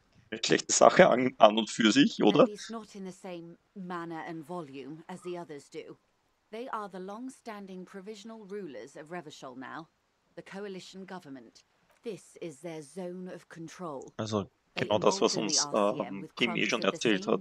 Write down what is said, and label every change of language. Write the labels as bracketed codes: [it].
[de] Wirklich die Sache an und für sich, oder? [en] At least not in the same manner and volume as the others do. They are the long-standing provisional rulers of Revachol now, the coalition government. This is their zone of control. [de] Also, genau das, was uns Kim eh schon erzählt hat.